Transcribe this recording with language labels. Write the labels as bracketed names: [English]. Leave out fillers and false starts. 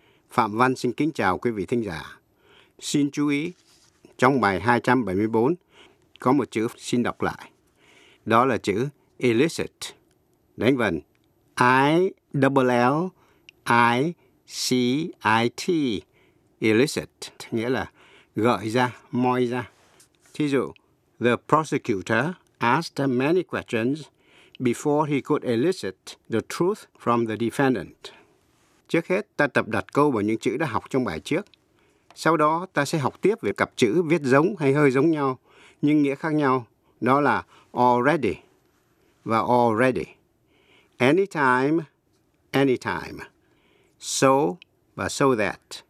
[Vietnamese] Phạm Văn xin kính chào quý vị thính giả. Xin chú ý, trong bài 274, có một chữ xin đọc lại. Đó là chữ illicit. Đánh vần I-L-L-I-C-I-T, illicit, nghĩa là gợi ra, moi ra. Thí dụ, [English] the prosecutor asked many questions before he could elicit the truth from the defendant. [Vietnamese] Trước hết, ta tập đặt câu vào những chữ đã học trong bài trước. Sau đó, ta sẽ học tiếp về cặp chữ viết giống hay hơi giống nhau, nhưng nghĩa khác nhau, đó là already và already. [English] Anytime, anytime. So và so that.